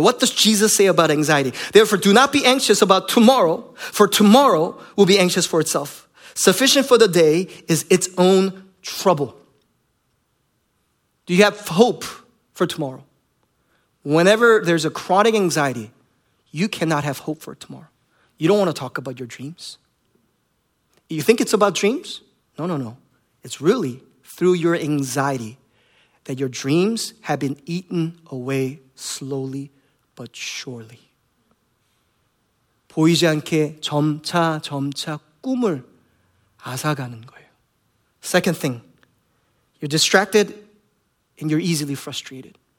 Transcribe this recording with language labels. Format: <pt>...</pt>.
<en>What does Jesus say about anxiety? Therefore, do not be anxious about tomorrow, for tomorrow will be anxious for itself. Sufficient for the day is its own trouble. Do you have hope for tomorrow? Whenever there's a chronic anxiety, you cannot have hope for tomorrow. You don't want to talk about your dreams. You think it's about dreams? No, no, no. It's really through your anxiety that your dreams have been eaten away slowly but surely.</en> <ko>보이지 않게 점차 점차 꿈을 앗아가는 거예요.</ko> <en>Second thing, you're distracted and you're easily frustrated.</en>